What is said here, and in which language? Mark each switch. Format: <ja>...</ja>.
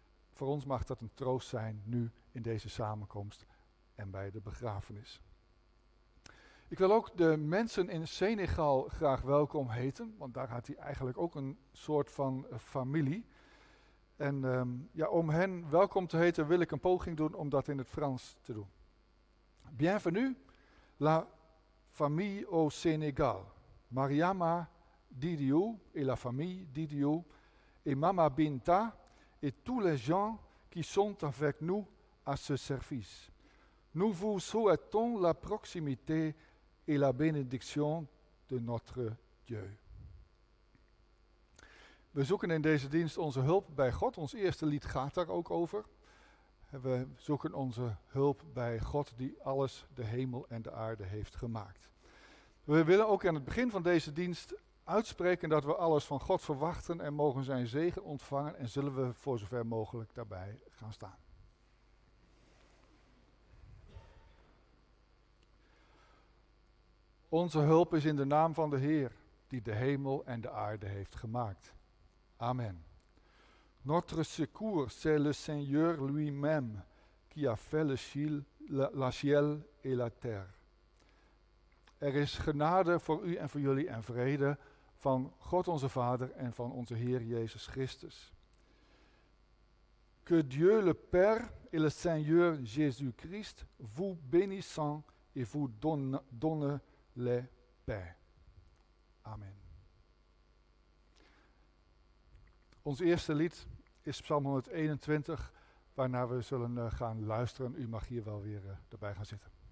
<nl>Voor ons mag dat een troost zijn nu in deze samenkomst en bij de begrafenis. Ik wil ook de mensen in Senegal graag welkom heten, want daar had hij eigenlijk ook een soort van familie. En om hen welkom te heten wil ik een poging doen om dat in het Frans te doen.</nl> <fr>Bienvenue, la famille au Sénégal. Mariama Didiou et la famille Didiou et Mama Binta et tous les gens qui sont avec nous à ce service. Nous vous souhaitons la proximité et la bénédiction de notre Dieu.</fr> <nl>We zoeken in deze dienst onze hulp bij God. Ons eerste lied gaat daar ook over. We zoeken onze hulp bij God die alles, de hemel en de aarde heeft gemaakt. We willen ook aan het begin van deze dienst uitspreken dat we alles van God verwachten en mogen zijn zegen ontvangen en zullen we voor zover mogelijk daarbij gaan staan. Onze hulp is in de naam van de Heer, die de hemel en de aarde heeft gemaakt. Amen.</nl> <fr>Notre secours, c'est le Seigneur lui-même qui a fait le ciel et la terre.</fr> <nl>Er is genade voor u en voor jullie en vrede van God onze Vader en van onze Heer Jezus Christus.</nl> <fr>Que Dieu le Père et le Seigneur Jésus-Christ vous bénissent et vous donne la paix. Amen.</fr> <nl>Ons eerste lied is Psalm 121, waarna we zullen gaan luisteren. U mag hier wel weer erbij gaan zitten.</nl>